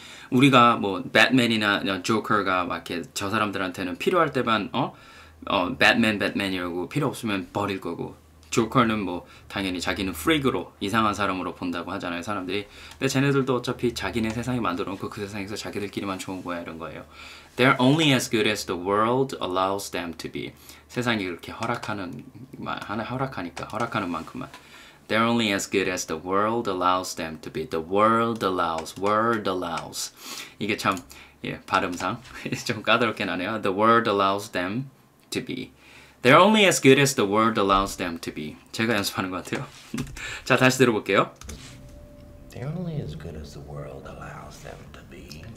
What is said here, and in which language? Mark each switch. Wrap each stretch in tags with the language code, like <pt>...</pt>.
<ko>우리가 뭐 배트맨이나 조커가 막 이렇게 저 사람들한테는 필요할 때만 배트맨 이러고, 필요 없으면 버릴 거고, 조커는 뭐 당연히 자기는 프릭으로, 이상한 사람으로 본다고 하잖아요 사람들이. 근데 쟤네들도 어차피 자기네 세상이 만들어 놓고 그 세상에서 자기들끼리만 좋은 거야 이런 거예요.</ko> <en>They're only as good as the world allows them to be.</en> <ko>세상이 그렇게 허락하는 만큼만.</ko> <en>They're only as good as the world allows them to be. The world allows.</en> <ko>이게 참 발음상 좀 까다롭게 나네요.</ko> <en>The world allows them to be. They're only as good as the world allows them to be.</en> <ko>제가 연습하는 것 같아요. 자, 다시 들어볼게요.</ko> <en>They're only as good as the world allows them to be.</en>